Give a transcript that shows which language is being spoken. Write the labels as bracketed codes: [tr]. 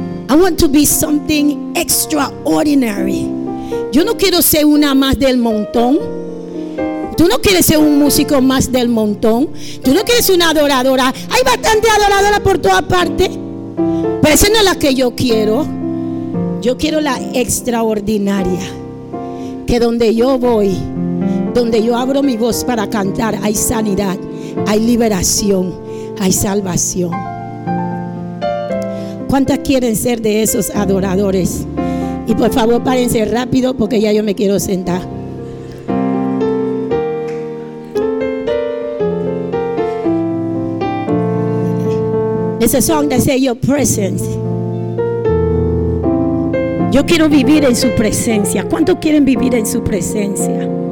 [en] I want to be something extraordinary. [es] Yo no quiero ser una más del montón. Tú no quieres ser un músico más del montón. Tú no quieres ser una adoradora. Hay bastante adoradora por toda parte. Pero esa no es la que yo quiero. Yo quiero la extraordinaria. Que donde yo voy, donde yo abro mi voz para cantar, hay sanidad, hay liberación, hay salvación. ¿Cuántas quieren ser de esos adoradores? Y por favor, párense rápido porque ya yo me quiero sentar. [en] It's a song that says your presence. [es] Yo quiero vivir en su presencia. ¿Cuántos quieren vivir en su presencia?